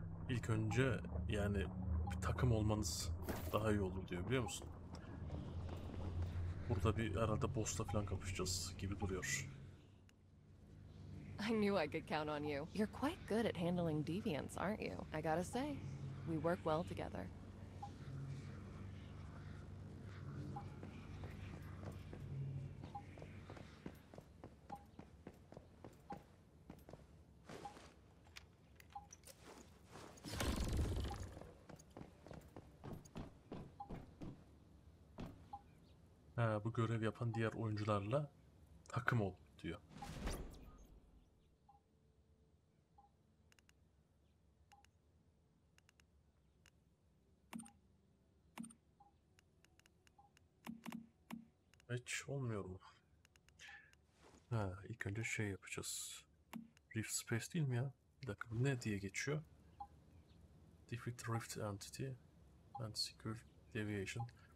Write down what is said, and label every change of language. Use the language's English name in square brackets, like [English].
[Turkish] İlk önce yani bir takım olmanız daha iyi olur diyor, biliyor musun? Burada bir herhalde boss'la falan kapışacağız gibi duruyor. [English] I knew I could count on you. You're quite good at handling deviants, aren't you? I gotta say, we work well together. [Turkish] Bu görev yapan diğer oyuncularla takım ol diyor. Hiç olmuyor mu? Ha, ilk önce şey yapacağız. Rift Space değil mi ya? Bir dakika, bu ne diye geçiyor? [English] Defeat Rift Entity and Secure Deviation.